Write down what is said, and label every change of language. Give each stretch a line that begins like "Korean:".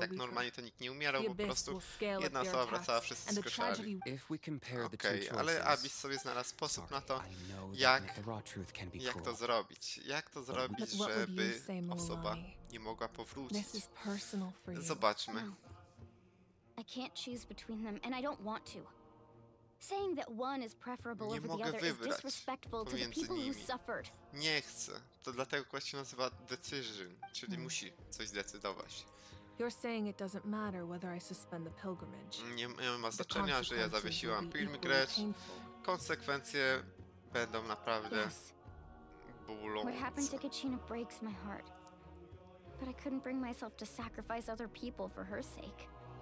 Polish: Tak normalnie to nikt nie umierał, po prostu jedna osoba wracała, wszyscy skrzeszali. Okej, ale Abyss sobie znalazł sposób na to, jak to zrobić. Jak to zrobić, żeby osoba nie mogła powrócić. Zobaczmy.
English: I can't choose between them and I don't want to. Saying that one is preferable
Polish: nie
English: over the other is disrespectful to the people who suffered.
Polish: Nie chcę. To dlatego kwestia się nazywa decision, czyli musi coś zdecydować.
English: You're saying it doesn't matter whether I suspend the pilgrimage.
Polish: Nie ma znaczenia, że ja zawiesiłam pilgrimage. Konsekwencje będą naprawdę bólące.
English: What happened to Kachina breaks my heart. But I couldn't bring myself to sacrifice other people for her sake.